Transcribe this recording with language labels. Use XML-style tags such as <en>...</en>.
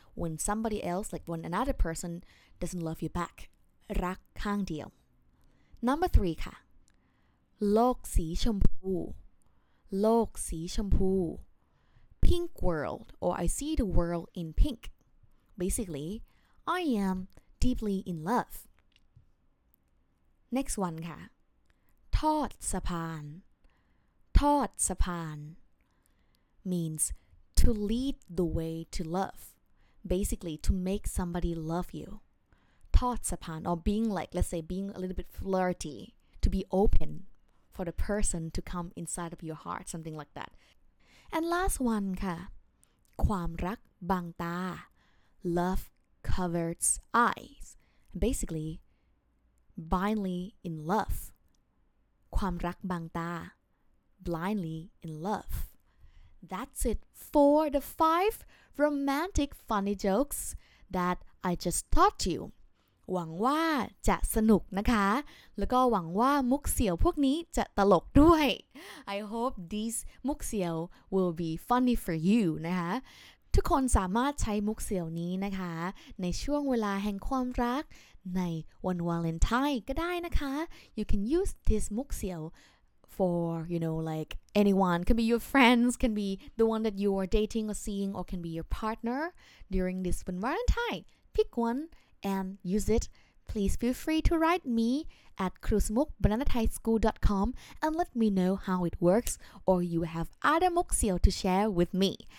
<en>When somebody else, like when another person, doesn't love you back.</en> <th>รักข้างเดียว</th> <en>Number 3</en> <th>ค่ะ โลกสีชมพู โลกสีชมพู</th> <en>pink world, or I see the world in pink. Basically, I am deeply in love. Next one</en> <th>ค่ะทอดสะพานทอดสะพาน</th> <en>means to lead the way to love. Basically, to make somebody love you.</en> <th>ทอดสะพาน</th> <en>or being like, let's say, being a little bit flirty, to be open for the person to come inside of your heart, something like that. And last one</en> <th>ค่ะความรักบางตา</th> <en>love covers eyes. Basically, blindly in love.</en> <th>ความรักบางตา</th> <en>blindly in love. That's it for the 5 romantic funny jokes that I just taught you.</en> <th>หวังว่าจะสนุกนะคะแล้วก็หวังว่ามุกเสี่ยวพวกนี้จะตลกด้วย</th> <en>I hope these</en> <th>มุกเสี่ยว</th> <en>will be funny for you</en> <th>นะคะทุกคนสามารถใช้มุกเสี่ยวนี้นะคะในช่วงเวลาแห่งความรักในวันวาเลนไทน์ก็ได้นะคะ</th> <en>You can use this มุกเสี่ยว for you know like anyone can be your friends can be the one that you are dating or seeing or can be your partner during this</en> <th>วันวาเลนไทน์</th> <en>Pick oneAnd use it. Please feel free to write me at krusmukbananathaischool.com and let me know how it works or you have other muksiyo to share with me.</en>